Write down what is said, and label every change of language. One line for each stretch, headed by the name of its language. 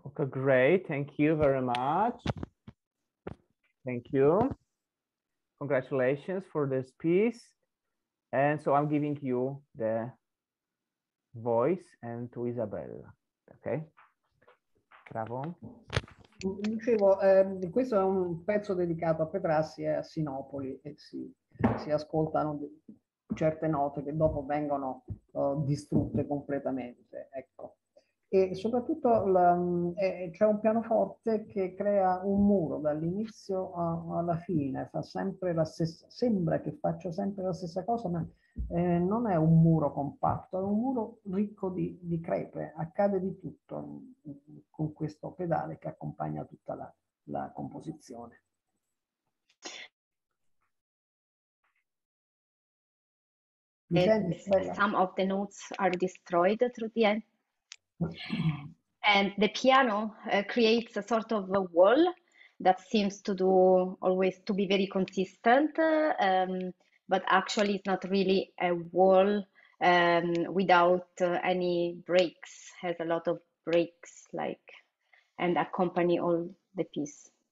English: Great, thank you very much. Thank you. Congratulations for this piece. And so I'm giving you the voice and to Isabella. Okay. Bravo.
Italian: Dicevo, questo è un pezzo dedicato a Petrassi e a Sinopoli e si ascoltano certe note che dopo vengono distrutte completamente, ecco. E soprattutto c'è un pianoforte che crea un muro dall'inizio alla fine, fa sempre la stessa, sembra che faccia sempre la stessa cosa, ma non è un muro compatto, è un muro ricco di crepe, accade di tutto con questo pedale che accompagna tutta la composizione.
English: Some of the notes are destroyed through the end. And the piano creates a sort of a wall that seems to do always to be very consistent, but actually it's not really a wall without any breaks, has a lot of breaks, like, and accompany all the piece.